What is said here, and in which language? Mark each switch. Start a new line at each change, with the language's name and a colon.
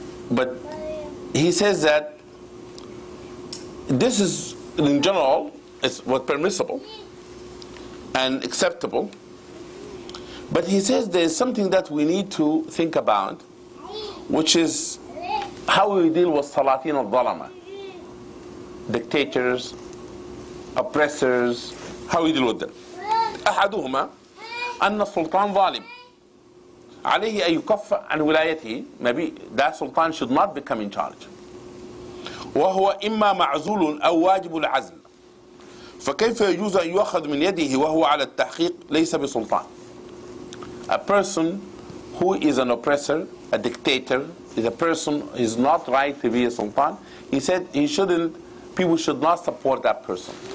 English: But he says that this is, in general, is what permissible and acceptable. But he says there's something that we need to think about, which is how we deal with Salatin al-Dhalama, dictators, oppressors, how we deal with them.
Arabic: أحدهما أن السلطان ظالم عليه أن يكف عن ولايته.
English: Maybe that sultan should not become in charge.
Arabic: وهو إما معزول أو واجب العزل. فكيف يجوز أن يؤخذ من يده وهو على التحقيق ليس بسلطان.
English: A person who is an oppressor, a dictator, is a person who is not right to be a sultan. He said he shouldn't. People should not support that person.